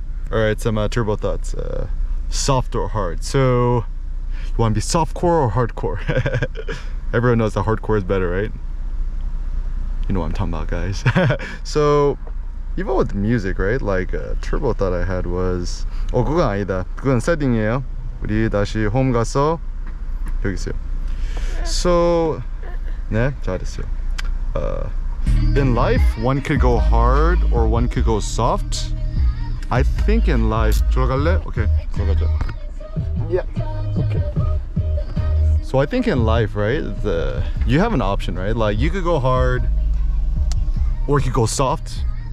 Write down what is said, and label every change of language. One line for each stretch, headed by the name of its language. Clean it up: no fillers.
English: All right, some turbo thoughts. Soft or hard? So, you want to be softcore or hardcore? Everyone knows the hardcore is better, right? You know what I'm talking about, guys. So, even with music, right? Like, a turbo thought I had was,
Korean: 어, 그건 아니다. 그건 세팅이에요. 우리 다시 홈 가서 여기 있어요. So, 네, 잘했어요.
English: In life, one could go hard or one could go soft. I think in life,
Korean: 들어갈래? Okay, 들어가자.
English: Yeah, okay. So I think in life, right, you have an option, right? Like, you could go hard or you could go soft.